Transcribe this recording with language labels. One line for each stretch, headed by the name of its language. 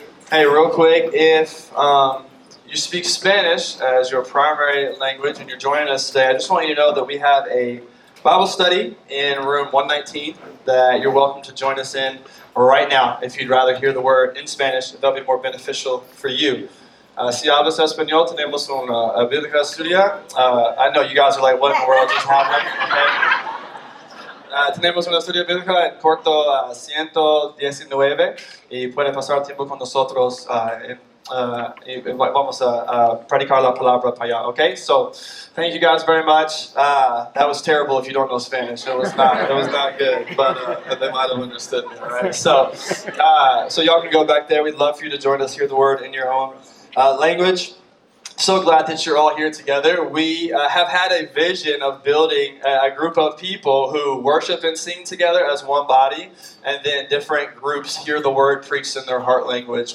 English: Hey, real quick, if you speak Spanish as your primary language and you're joining us today, I just want you to know that we have a Bible study in room 119 that you're welcome to join us in right now if you'd rather hear the word in Spanish. That'll be more beneficial for you.
Spanish: Si hablas español, tenemos una biblia estudia.
English: I know you guys are like, what in the world just happened? Okay.
Spanish: Tenemos una estudia bíblica en corto 119 y puede pasar tiempo con nosotros y vamos a predicar la palabra para allá, okay?
English: So, thank you guys very much. That was terrible if you don't know Spanish. It was not good, but they might have understood me, all right? So y'all can go back there. We'd love for you to join us, hear the word in your own language. So glad that you're all here together. We have had a vision of building a group of people who worship and sing together as one body, and then different groups hear the word preached in their heart language.